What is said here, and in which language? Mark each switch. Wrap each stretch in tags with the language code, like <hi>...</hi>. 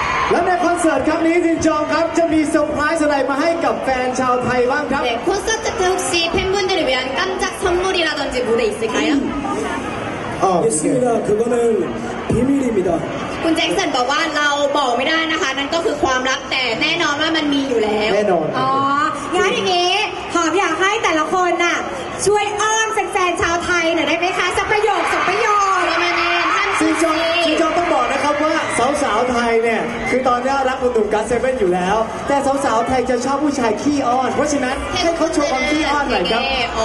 <th>และในคอนเสิร์ตครั้งนี้จินจองครับจะมีเซอร์ไพรส์อะไรมาให้กับแฟนชาวไทยบ้างครับ คอนเสิร์ตจะ</th> <ko>혹시팬분들을위한깜짝선물이라든지무대있을까요 아예스입니다그거는비밀입니다</ko> <th>คุณแจ็คสันบอกว่าเราบอกไม่ได้นะคะนั่นก็คือความลับแต่แน่นอนว่ามันมีอยู่แล้ว แน่นอน อ๋องั้นอย่างนี้ขออยากให้แต่ละคนน่ะช่วยอ้อมแฟนชาวไทยหน่อยได้ไหมคะสักประโยคสักประโยค ประมาณนี้ จริงจองต้องบอกนะครับว่าสาวๆไทยเนี่ยคือตอนนี้รักคุณหนุ่มกัสเซเว่นอยู่แล้วแต่สาวๆไทยจะชอบผู้ชายขี้อ้อนเพราะฉะนั้นให้เขาโชว์ความขี้อ้อนหน่อยครับอ๋อเอ็กโก้กับมาเนี่ยคนที่ร</th>